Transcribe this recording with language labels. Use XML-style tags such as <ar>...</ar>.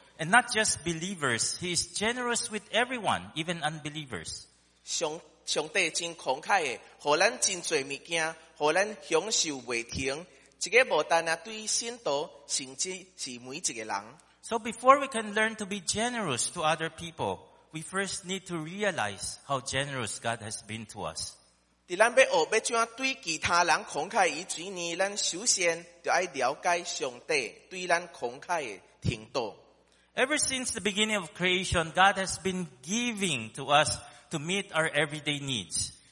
<en>And not just believers, He is generous with everyone, even unbelievers.</en> <nan>上帝真慷慨的，予咱真侪物件，予咱享受袂停。这个无单单对信徒，甚至是每一个人。</nan> <en>So before we can learn to be generous to other people, we first need to realize how generous God has been to us.</en> <nan>伫咱要学要怎对其他人慷慨以前呢，咱首先就爱了解上帝对咱慷慨的程度。</nan> <en>Ever since the beginning of creation, God has been giving to us to meet our everyday needs.</en>